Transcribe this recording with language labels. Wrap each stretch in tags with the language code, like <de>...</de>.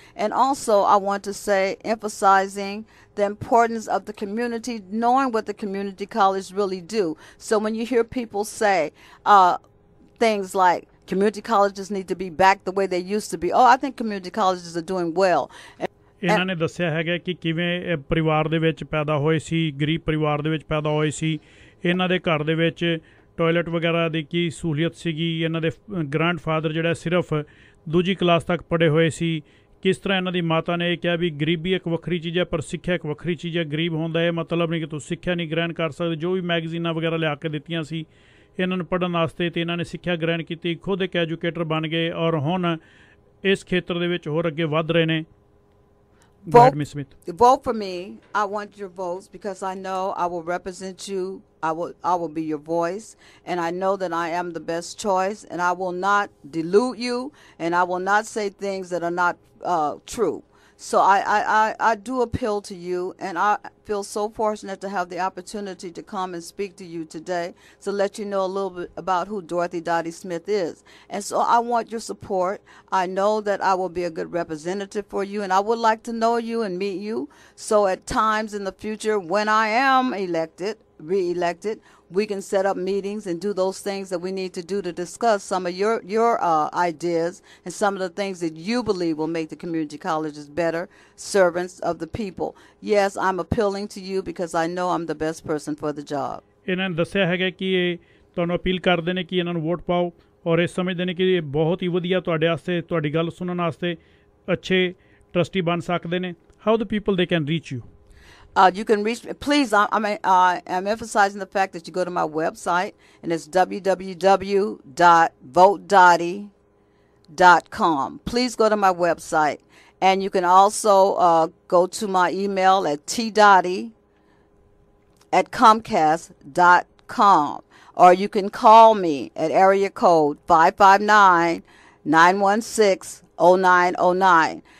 <en>And also I want to say emphasizing the importance of the community, knowing what the community colleges really do. So when you hear people say things like, community colleges need to be back the way they used to be. Oh, I think community colleges are doing well.</en> <pa>ਇਹਨਾਂ ਨੇ ਦੱਸਿਆ ਹੈਗਾ ਕਿ ਕਿਵੇਂ ਇਹ ਪਰਿਵਾਰ ਦੇ ਵਿੱਚ ਪੈਦਾ ਹੋਏ ਸੀ, ਗਰੀਬ ਪਰਿਵਾਰ ਦੇ ਵਿੱਚ ਪੈਦਾ ਹੋਏ ਸੀ, ਇਹਨਾਂ ਦੇ ਘਰ ਦੇ ਵਿੱਚ ਟੋਇਲਟ ਵਗੈਰਾ ਦੀ ਕੀ ਸਹੂਲੀਅਤ ਸੀਗੀ, ਇਹਨਾਂ ਦੇ ਗ੍ਰੈਂਡਫਾਦਰ ਜਿਹੜਾ ਸਿਰਫ ਦੂਜੀ ਕਲਾਸ ਤੱਕ ਪੜ੍ਹੇ ਹੋਏ ਸੀ, ਕਿਸ ਤਰ੍ਹਾਂ ਇਹਨਾਂ ਦੀ ਮਾਤਾ ਨੇ ਇਹ ਕਿਹਾ ਵੀ ਗਰੀਬੀ ਇੱਕ ਵੱਖਰੀ ਚੀਜ਼ ਹੈ ਪਰ ਸਿੱਖਿਆ ਇੱਕ ਵੱਖਰੀ ਚੀਜ਼ ਹੈ, ਗਰੀਬ ਹੁੰਦਾ ਇਹ ਮਤਲਬ ਨਹੀਂ ਕਿ ਤੁਸੀਂ ਸਿੱਖਿਆ ਨਹੀਂ ਗ੍ਰਹਿਣ ਕਰ ਸਕਦੇ, ਜੋ ਵੀ ਮੈਗਜ਼ੀਨਾਂ ਵਗੈਰਾ ਲਿਆ ਕੇ ਦਿੱਤੀਆਂ ਸੀ ਇਹਨਾਂ ਨੂੰ ਪੜ੍ਹਨ ਵਾਸਤੇ, ਅਤੇ ਇਹਨਾਂ ਨੇ ਸਿੱਖਿਆ ਗ੍ਰਹਿਣ ਕੀਤੀ, ਖੁਦ ਇੱਕ ਐਜੂਕੇਟਰ ਬਣ ਗਏ ਔਰ ਹੁਣ ਇਸ ਖੇਤਰ ਦੇ ਵਿੱਚ ਹੋਰ ਅੱਗੇ ਵੱਧ ਰਹੇ ਨੇ.</pa> <en>Vote, Ms. Smith. Vote for me. I want your votes because I know I will represent you. I will be your voice, and I know that I am the best choice, and I will not delude you, and I will not say things that are not true. So I do appeal to you, and I feel so fortunate to have the opportunity to come and speak to you today to let you know a little bit about who Dorothy Dottie Smith is. And so I want your support. I know that I will be a good representative for you, and I would like to know you and meet you. So at times in the future, when I am elected, re-elected, we can set up meetings and do those things that we need to do to discuss some of your ideas and some of the things that you believe will make the community colleges better servants of the people. Yes, I'm appealing to you because I know I'm the best person for the job.</en> <pa>ਇਹਨਾਂ ਨੇ ਦੱਸਿਆ ਹੈਗਾ ਕਿ ਇਹ ਤੁਹਾਨੂੰ appeal ਕਰਦੇ ਨੇ ਕਿ ਇਹਨਾਂ ਨੂੰ ਵੋਟ ਪਾਓ, ਔਰ ਇਹ ਸਮਝਦੇ ਨੇ ਕਿ ਇਹ ਬਹੁਤ ਹੀ ਵਧੀਆ ਤੁਹਾਡੇ ਵਾਸਤੇ, ਤੁਹਾਡੀ ਗੱਲ ਸੁਣਨ ਵਾਸਤੇ ਅੱਛੇ ਟਰਸਟੀ ਬਣ ਸਕਦੇ ਨੇ.</pa> <en>How the people they can reach you? You can reach me. Please, I'm emphasizing the fact that you go to my website, and it's www.votedottie.com. Please go to my website, and you can also go to my email at tdottie@comcast.com, or you can call me at area code 559-916-0909.</en>